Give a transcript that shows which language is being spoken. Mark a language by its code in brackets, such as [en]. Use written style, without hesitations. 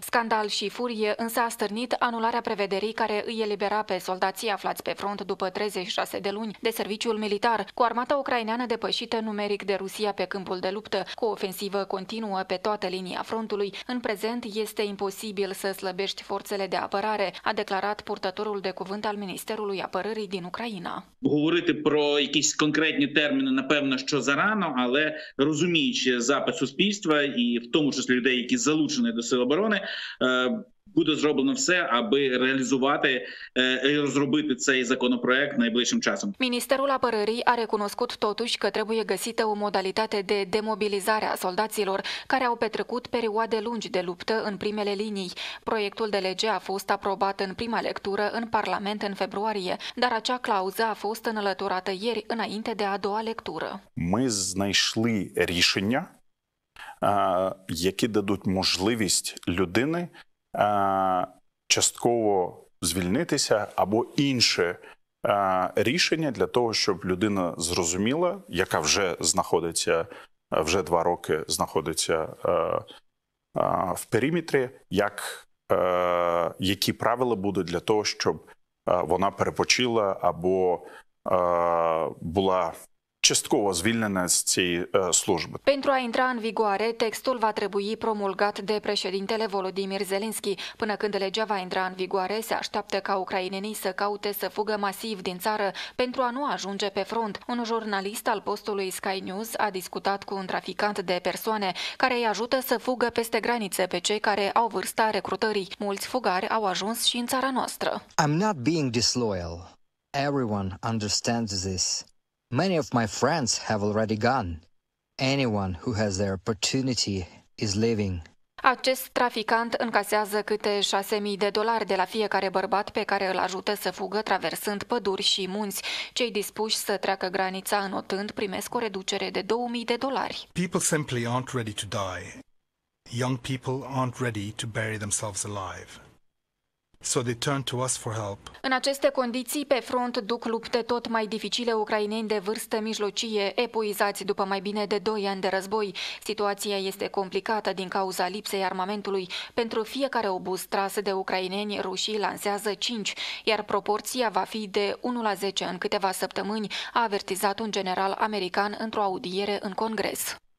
[ro] Scandal și furie însă a stârnit anularea prevederii care îi elibera pe soldații aflați pe front după 36 de luni de serviciul militar, cu armata ucraineană depășită numeric de Rusia pe câmpul de luptă, cu o ofensivă continuă pe toată linia frontului. În prezent este imposibil să slăbești forțele de apărare, a declarat purtătorul de cuvânt al Ministerului Apărării din Ucraina. [uk] Говорити про якісь конкретні терміни, напевно, що зарано, але розуміючи запит суспільства і в тому числі людей, які залучені до сил оборони, буде зроблено все, аби реалізувати і розробити цей законопроект найближчим часом. [ro] Ministerul Apărării a recunoscut totuși că trebuie găsită o modalitate de demobilizare a soldaților care au petrecut perioade lungi de luptă în primele linii. Proiectul de lege a fost aprobat în prima lectură în Parlament în februarie, dar acea clauză a fost înlăturată ieri înainte de a doua lectură. [uk] Ми знайшли рішення, які дадуть можливість людини частково звільнитися або інше рішення для того, щоб людина зрозуміла, яка вже знаходиться, вже 2 роки знаходиться в периметрі, як, які правила будуть для того, щоб вона перепочила або була частково звільнена з цієї служби. [ro] Pentru a intra în vigoare, textul va trebui promulgat de președintele Volodymyr Zelensky. Până când legea va intra în vigoare, se așteaptă ca ucrainenii să caute să fugă masiv din țară pentru a nu ajunge pe front. Un jurnalist al postului Sky News a discutat cu un traficant de persoane care îi ajută să fugă peste granițe pe cei care au vârsta recrutării. Mulți fugari au ajuns și în țara noastră. [en] I'm not being disloyal. Everyone understands this. Many of my friends have already gone. Anyone who has their opportunity is leaving. [ro] Acest traficant încasează câte 6.000 de dolari de la fiecare bărbat pe care îl ajută să fugă traversând păduri și munți. Cei dispuși să treacă granița înotând primesc o reducere de 2.000 de dolari. [en] People simply aren't ready to die. Young people aren't ready to bury themselves alive. So they turn to us for help. [ro] În aceste condiții, pe front duc lupte tot mai dificile ucraineni de vârstă mijlocie, epuizați după mai bine de 2 ani de război. Situația este complicată din cauza lipsei armamentului. Pentru fiecare obuz tras de ucraineni, rușii lansează 5, iar proporția va fi de 1 la 10 în câteva săptămâni, a avertizat un general american într-o audiere în Congres.